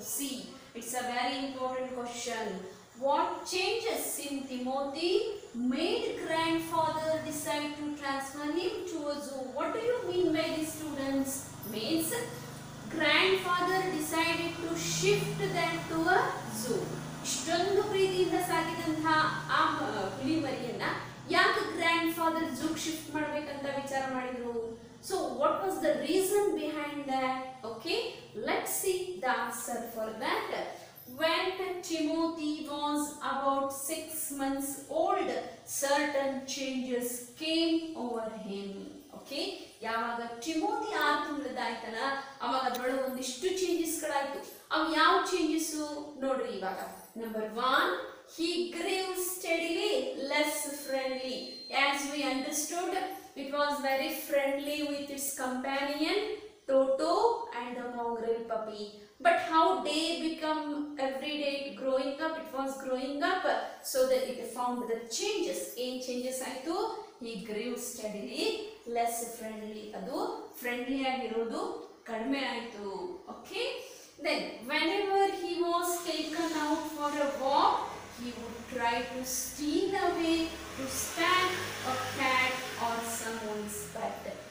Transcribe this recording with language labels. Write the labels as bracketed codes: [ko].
[en] See, it's a very important question. What changes in Timothy made grandfather decide to transfer him to a zoo? What do you mean by this, students? Means grandfather decided to shift them to a zoo. [kn] ಇಷ್ಟೊಂದು ಪ್ರೀತಿಯಿಂದ ಸಾಕಿದಂತಹ ಆ ಹುಲಿ ಮರಿಯನ್ನ ಯಾಕೆ grand father ಜೂಗ್ shift ಮಾಡ್ಬೇಕಂತ ವಿಚಾರ ಮಾಡಿದ್ರು? [en] So what was the reason behind that? Okay, let see the answer for that. When Timothy was about 6 months old, certain changes came over him. [kn] Okay, ಯಾವಾಗ ಟಿಮೋಥಿ 6 ತಿಂಗಳದಾಯ್ತಲ್ಲ ಅವಾಗ ಅದರೊಳ ಒಂದಿಷ್ಟು ಚೇಂಜಸ್ ಗಳಾಯ್ತು. [en] ಅವು ಯಾವ ಚೇಂಜಸ್ ನೋಡ್ರಿ ಇವಾಗ. Number 1, he grave steadily less friendly. As we understood, it was very friendly with its companion Toto and the mongrel puppy. But how day become every day growing up, it was growing up, so that it found the changes. ಏನ್ changes ಆಯ್ತು? He grave steadily less friendly, ಅದು friendly ಆಗಿರೋದು ಕಡಿಮೆ ಆಯ್ತು. Okay, then whenever he was taken out for a walk, he would try to steal away to stand a cat or someone's pet.